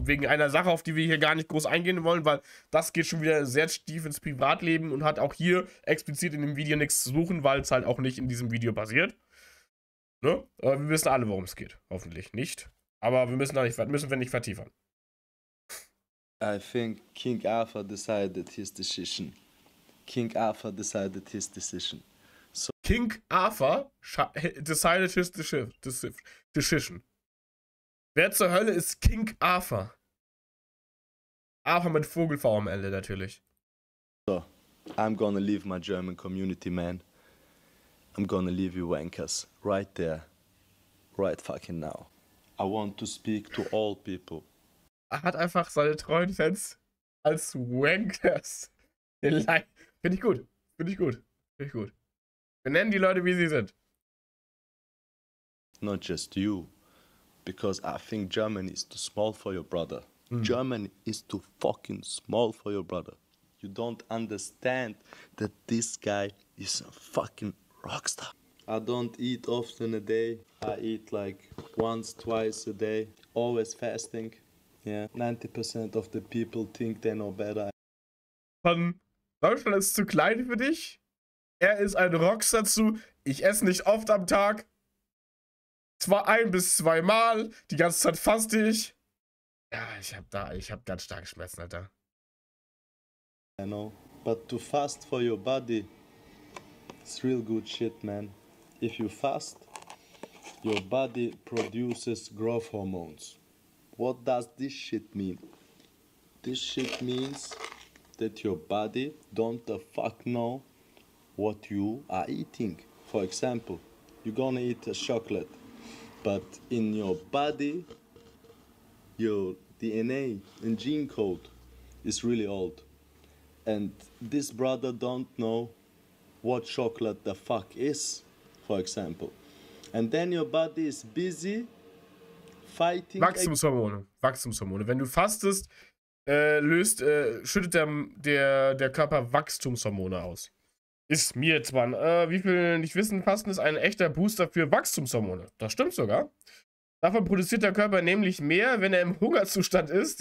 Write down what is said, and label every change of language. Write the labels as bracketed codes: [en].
[de] Wegen einer Sache, auf die wir hier gar nicht groß eingehen wollen, weil das geht schon wieder sehr tief ins Privatleben und hat auch hier explizit in dem Video nichts zu suchen, weil es halt auch nicht in diesem Video passiert. Ne? Aber wir wissen alle, worum es geht. Hoffentlich nicht. Aber wir müssen wir nicht vertiefern. [en] I think King Arthur decided his decision. King Arthur decided his decision. King Arthur decided his decision. [de] Wer zur Hölle ist King Arthur? Arthur mit Vogel-V am Ende natürlich. [en] So, I'm gonna leave my German community, man. I'm gonna leave you wankers. Right there. Right fucking now. I want to speak to all people. [de] Er hat einfach seine treuen Fans als Wankers. Finde ich gut. Wir nennen die Leute, wie sie sind. [en] Not just you. Because I think Germany is too small for your brother. Germany is too fucking small for your brother. You don't understand that this guy is a fucking rockstar. I don't eat often a day. I eat like once, twice a day. Always fasting. Yeah. 90% of the people think they know better. [de] Von Deutschland ist zu klein für dich? Er ist ein Rockstar zu, ich esse nicht oft am Tag, zwar ein bis zweimal, die ganze Zeit faste ich. Ja, ich hab ganz starke Schmerzen, Alter. [en] I know, but to fast for your body, it's real good shit, man. If you fast, your body produces growth hormones. What does this shit mean? This shit means that your body don't the fuck know what you are eating. For example, you're gonna eat a chocolate, but in your body, your DNA and gene code is really old. And this brother don't know what chocolate the fuck is, for example. And then your body is busy fighting. [de] Wachstumshormone. Wenn du fastest, schüttet der Körper Wachstumshormone aus. Ist mir jetzt mal, wie viel nicht wissen, Fasten ist ein echter Booster für Wachstumshormone. Das stimmt sogar. Davon produziert der Körper nämlich mehr, wenn er im Hungerzustand ist.